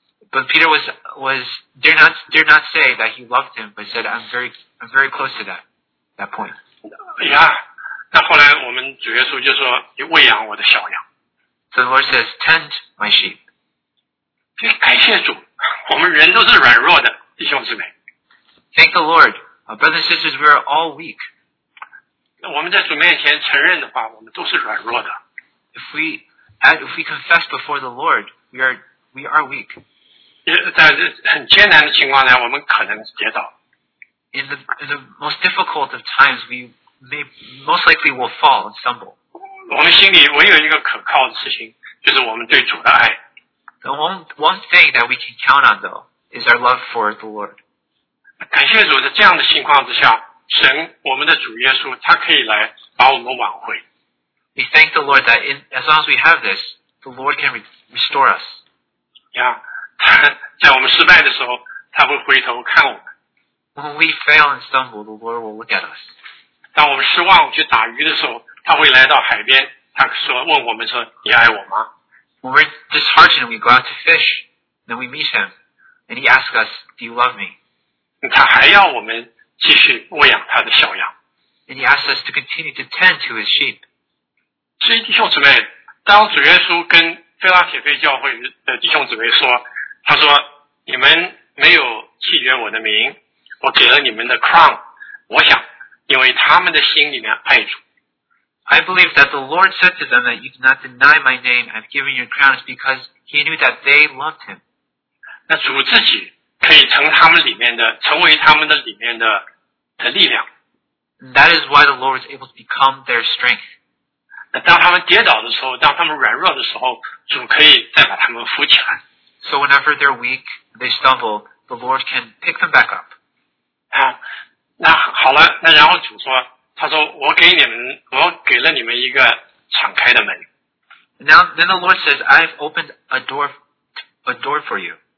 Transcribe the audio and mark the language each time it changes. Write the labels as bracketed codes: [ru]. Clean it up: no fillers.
[en] But Peter dare not say that he loved him, but said, I'm very close to that point. Yeah. [zh] 那后来我们主耶稣就说，你喂养我的小羊。 [en] So the Lord says, tend my sheep. [zh] 感谢主，我们人都是软弱的，弟兄姊妹。 [en] Thank the Lord, brothers and sisters, we are all weak. [zh] 我们在主面前承认的话，我们都是软弱的。 [en] If we confess before the Lord, we are weak. [zh] 在很艰难的情况下，我们可能跌倒。 [en] In the most difficult of times, we may most likely will fall and stumble. [zh] 我们心里唯有一个可靠的事情，就是我们对主的爱。 [en] The one thing that we can count on, though, is our love for the Lord. [zh] 感谢主，在这样的情况之下，神，我们的主耶稣，他可以来把我们挽回。 [en] We thank the Lord that in, as long as we have this, the Lord can restore us. Yeah, [zh] 在我们失败的时候，他会回头看我们。 [en] When we fail and stumble, the Lord will look at us. [zh] 当我们失望去打鱼的时候，他会来到海边，他说问我们说，你爱我吗？ [en] When we're disheartened, we go out to fish, then we meet him, and he asks us, do you love me? [zh] 他还要我们继续喂养他的小羊。 [en] And he asks us to continue to tend to his sheep. [zh] 所以弟兄姊妹，当主耶稣跟腓拉铁菲教会的弟兄姊妹说，他说你们没有弃绝我的名，我给了你们的 crown， 我想因为他们的心里面爱主。 [en] I believe that the Lord said to them that you do not deny my name, I've given you crowns because he knew that they loved him. [zh] 那主自己可以成他们里面的，成为他们的里面的力量。 [en] And that is why the Lord is able to become their strength. [zh] 当他们跌倒的时候，当他们软弱的时候，主可以再把他们扶起来。 [en] So whenever they're weak, they stumble, the Lord can pick them back up. [zh] 啊，那好了，那然后主说，他说我给你们，我给了你们一个敞开的门。 [en] Now, then the Lord says, I've opened a door for you.